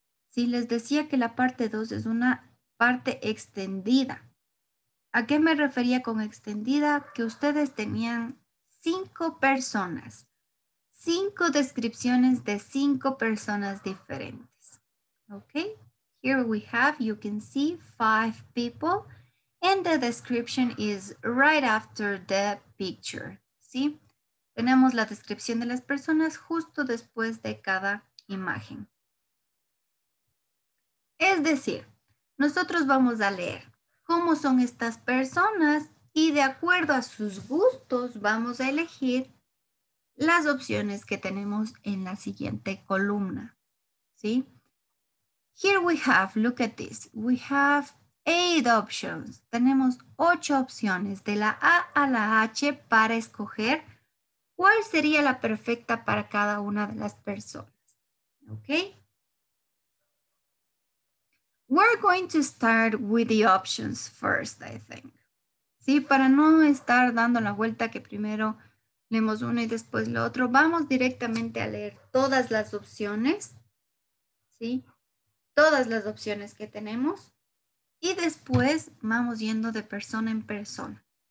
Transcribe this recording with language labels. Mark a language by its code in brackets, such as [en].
[es] Si les decía que la parte dos es una parte extendida. ¿A qué me refería con extendida? Que ustedes tenían cinco personas, cinco descripciones de cinco personas diferentes. [en] Okay, here we have, you can see five people. And the description is right after the picture, ¿sí? [es] Tenemos la descripción de las personas justo después de cada imagen. Es decir, nosotros vamos a leer cómo son estas personas y de acuerdo a sus gustos vamos a elegir las opciones que tenemos en la siguiente columna, ¿sí? [en] Here we have, look at this, we have 8 options. [es] Tenemos 8 opciones de la A a la H para escoger cuál sería la perfecta para cada una de las personas. [en] Okay. We're going to start with the options first, I think. [es] Sí, para no estar dando la vuelta que primero leemos uno y después lo otro, vamos directamente a leer todas las opciones. Sí, todas las opciones que tenemos. Y después vamos yendo de persona en persona.